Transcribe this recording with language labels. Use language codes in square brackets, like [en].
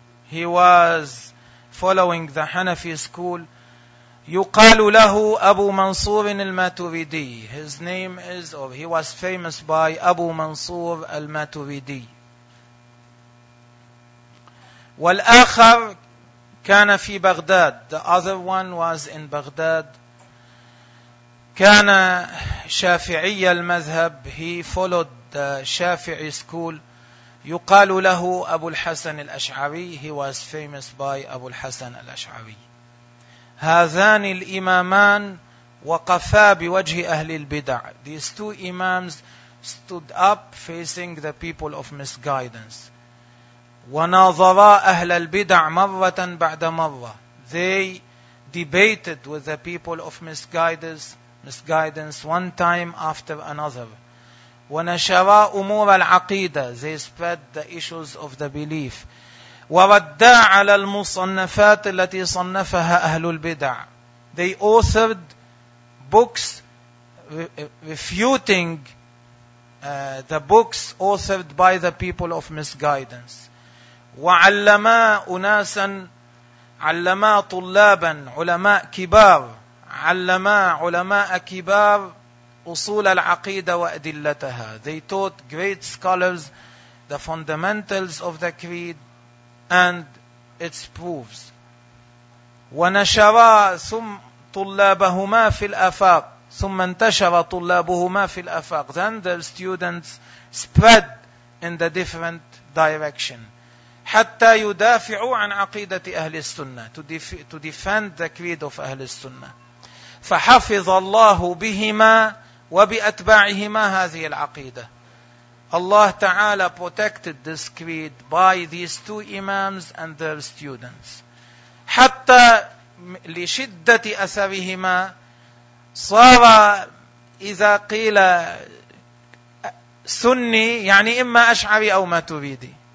[en] He was following the Hanafi school. [ar] يقال له أبو منصور الماتوريدي. [en] His name is, or he was famous by أبو منصور الماتوريدي. [ar] والآخر كان في بغداد. [en] The other one was in Baghdad. [ar] كان شافعي المذهب. [en] He followed the Shafi'i school. [ar] يقال له أبو الحسن الأشعري. [en] He was famous by أبو الحسن الأشعري. [ar] هذان الإمامان وقفا بوجه أهل البدع. [en] These two imams stood up facing the people of misguidance. [ar] وناظرا أهل البدع مرة بعد مرة. [en] They debated with the people of misguidance one time after another. [ar] ونشرا أمور العقيدة. [en] They spread the issues of the belief. [ar] وردا على المصنفات التي صنفها أهل البدع. [en] They authored books refuting the books authored by the people of misguidance. [ar] وعلما أناسا علما طلابا علماء كبار علما علماء كبار أصول العقيدة وأدلتها. [en] They taught great scholars the fundamentals of the creed and its proofs. [ar] ونشرا ثم طلابهما في الأفاق ثم انتشر طلابهما في الأفاق. [en] Then the students spread in the different direction. [ar] حتى يدافعوا عن عقيدة أهل السنة. [en] To defend the creed of أهل السنة. [ar] فحفظ الله بهما وبأتباعهما هذه العقيدة. [en] Allah Ta'ala protected this creed by these two imams and their students. [ar] حتى لشدة أثرهما صار إذا قيل سني يعني إما أشعري أو ما تريدي.